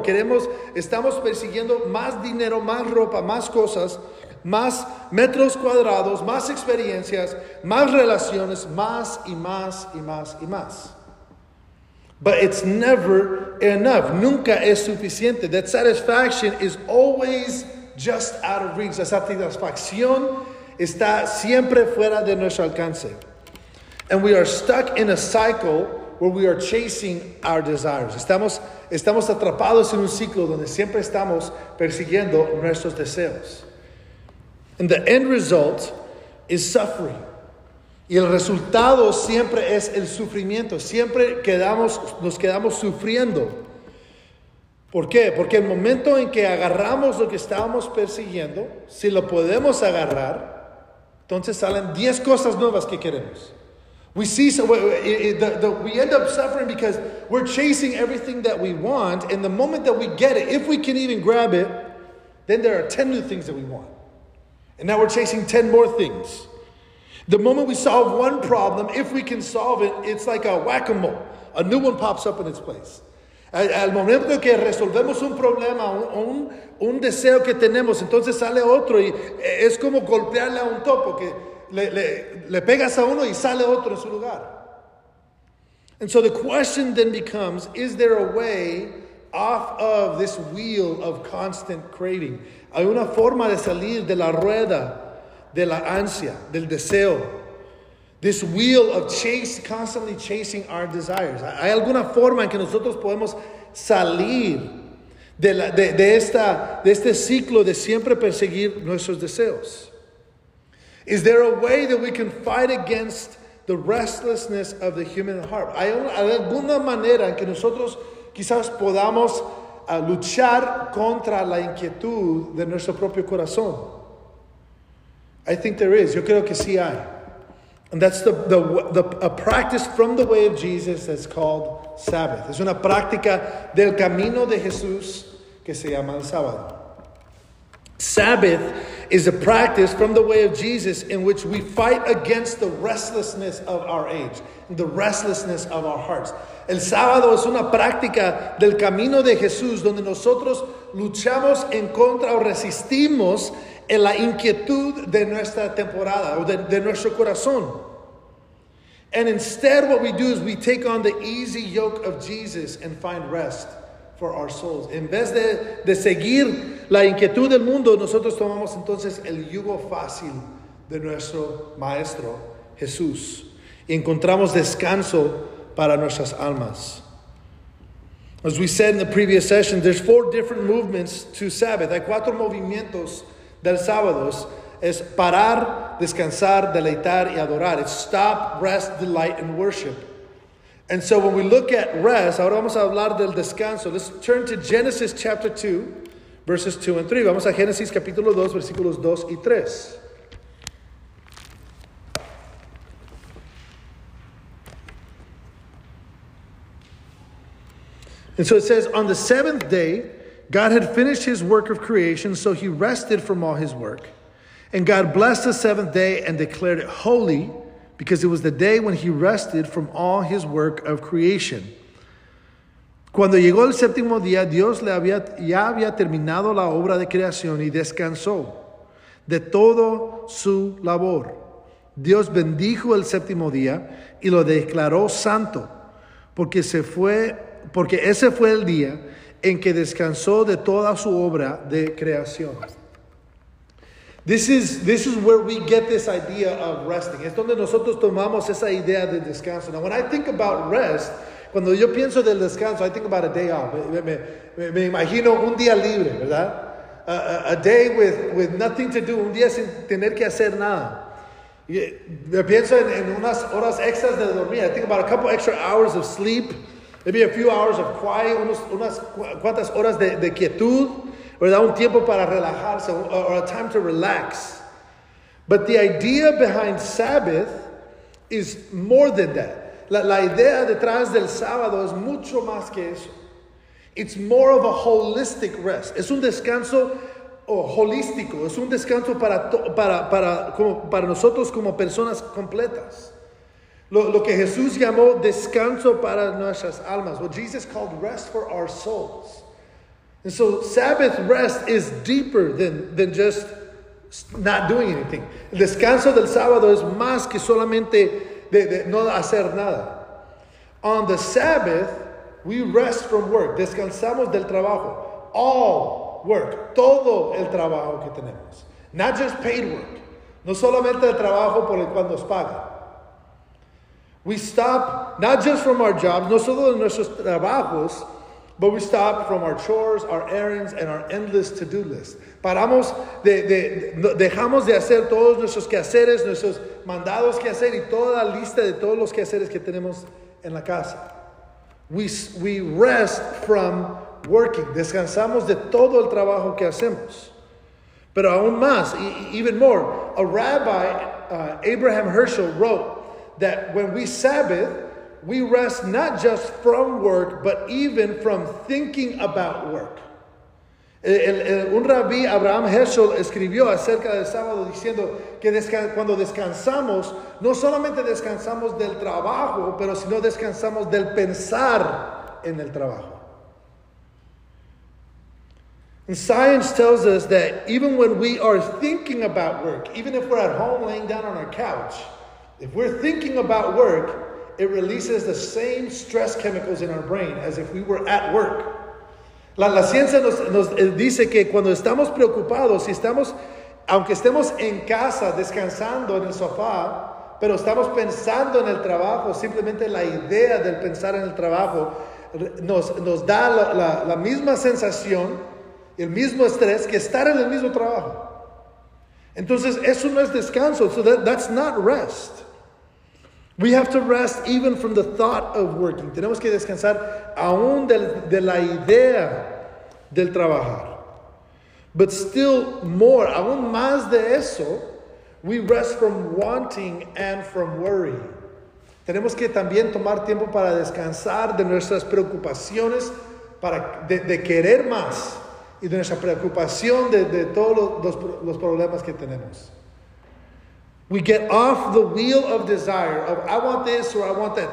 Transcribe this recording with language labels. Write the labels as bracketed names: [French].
[Spanish] Estamos persiguiendo más dinero, más ropa, más cosas, más metros cuadrados, más experiencias, más relaciones, más y más y más y más. [English] But it's never enough. [Spanish] Nunca es suficiente. [English] That satisfaction is always just out of reach. [Spanish] La satisfacción está siempre fuera de nuestro alcance. [English] And we are stuck in a cycle where we are chasing our desires. [Spanish] Estamos atrapados en un ciclo donde siempre estamos persiguiendo nuestros deseos. [English] And the end result is suffering. [Spanish] Y el resultado siempre es el sufrimiento. Siempre nos quedamos sufriendo. ¿Por qué? Porque el momento en que agarramos lo que estábamos persiguiendo, si lo podemos agarrar, entonces salen 10 cosas nuevas que queremos. [English] We see we end up suffering because we're chasing everything that we want, and the moment that we get it, if we can even grab it, then there are 10 new things that we want. And now we're chasing 10 more things. The moment we solve one problem, if we can solve it, it's like a whack-a-mole. A new one pops up in its place. [Spanish] Al momento que resolvemos un problema, un deseo que tenemos, entonces sale otro y es como golpearle a un topo que le pegas a uno y sale otro en su lugar. [English] And so the question then becomes, is there a way off of this wheel of constant craving? [Spanish] ¿Hay una forma de salir de la rueda de la ansia, del deseo? [English] This wheel of constantly chasing our desires. [Spanish] ¿Hay alguna forma en que nosotros podemos salir de este ciclo de siempre perseguir nuestros deseos? [English] Is there a way that we can fight against the restlessness of the human heart? [Spanish] ¿Hay alguna manera en que nosotros quizás podamos luchar contra la inquietud de nuestro propio corazón? [English] I think there is. [Spanish] Yo creo que sí hay. [English] And that's a practice from the way of Jesus that's called Sabbath. [Spanish] Es una práctica del camino de Jesús que se llama el sábado. [English] Sabbath is a practice from the way of Jesus in which we fight against the restlessness of our age, the restlessness of our hearts. [Spanish] El sábado es una práctica del camino de Jesús donde nosotros luchamos en contra o resistimos en la inquietud de nuestra temporada o de nuestro corazón. [English] And instead what we do is we take on the easy yoke of Jesus and find rest for our souls. [Spanish] En vez de seguir la inquietud del mundo, nosotros tomamos entonces el yugo fácil de nuestro maestro Jesús y encontramos descanso para nuestras almas. [English] As we said in the previous session, there's 4 different movements to Sabbath. [Spanish] Hay 4 movimientos del sábado. Es parar, descansar, deleitar y adorar. [English] It's stop, rest, delight, and worship. And so when we look at rest, [Spanish] ahora vamos a hablar del descanso. [English] Let's turn to Genesis chapter 2, verses 2 and 3. [Spanish] Vamos a Génesis capítulo 2, versículos 2 y 3. [English] And so it says, on the seventh day, God had finished his work of creation, so he rested from all his work. And God blessed the seventh day and declared it holy, because it was the day when he rested from all his work of creation. [Spanish] Cuando llegó el séptimo día, Dios le había, ya había terminado la obra de creación y descansó de todo su labor. Dios bendijo el séptimo día y lo declaró santo, porque ese fue el día en que descansó de toda su obra de creación. [English] This is where we get this idea of resting. [Spanish] Es donde nosotros tomamos esa idea de descanso. [English] Now, when I think about rest, [Spanish] cuando yo pienso del descanso, [English] I think about a day off. [Spanish] Me imagino un día libre, ¿verdad? [English] A day with nothing to do, [Spanish] un día sin tener que hacer nada. Me pienso en unas horas extras de dormir. [English] I think about a couple extra hours of sleep, maybe a few hours of quiet, [Spanish] unas cuantas horas de quietud, ¿verdad? Un tiempo para relajarse, [English] or a time to relax. But the idea behind Sabbath is more than that. [Spanish] La idea detrás del sábado es mucho más que eso. [English] It's more of a holistic rest. [Spanish] Es un descanso holístico. Es un descanso para nosotros como personas completas. Lo que Jesús llamó descanso para nuestras almas. [English] What Jesus called rest for our souls. And so Sabbath rest is deeper than just not doing anything. [Spanish] El descanso del sábado es más que solamente de no hacer nada. [English] On the Sabbath, we rest from work. [Spanish] Descansamos del trabajo. [English] All work. [Spanish] Todo el trabajo que tenemos. [English] Not just paid work. [Spanish] No solamente el trabajo por el cual nos pagan. [English] We stop not just from our jobs, [Spanish] no solo de nuestros trabajos, [English] but we stop from our chores, our errands, and our endless to-do list. [Spanish] Paramos, dejamos de hacer todos nuestros quehaceres, nuestros mandados que hacer, y toda la lista de todos los quehaceres que tenemos en la casa. [English] We rest from working. [Spanish] Descansamos de todo el trabajo que hacemos. Pero aún más, [English] even more, a rabbi, Abraham Herschel, wrote that when we Sabbath, we rest not just from work, but even from thinking about work. [Spanish] Un rabí, Abraham Heschel, escribió acerca del sábado diciendo que cuando descansamos, no solamente descansamos del trabajo, pero sino descansamos del pensar en el trabajo. [English] And science tells us that even when we are thinking about work, even if we're at home laying down on our couch, if we're thinking about work, it releases the same stress chemicals in our brain as if we were at work. [Spanish] La ciencia nos dice que cuando estamos preocupados, aunque estemos en casa descansando en el sofá, pero estamos pensando en el trabajo, simplemente la idea del pensar en el trabajo nos da la misma sensación, el mismo estrés que estar en el mismo trabajo. Entonces, eso no es descanso. [English] So that's not rest. We have to rest even from the thought of working. [Spanish] Tenemos que descansar aún de la idea del trabajar. [English] But still more, [Spanish] aún más de eso, [English] we rest from wanting and from worry. [Spanish] Tenemos que también tomar tiempo para descansar de nuestras preocupaciones, de querer más, y de nuestra preocupación de todos los problemas que tenemos. [English] We get off the wheel of desire, of I want this or I want that.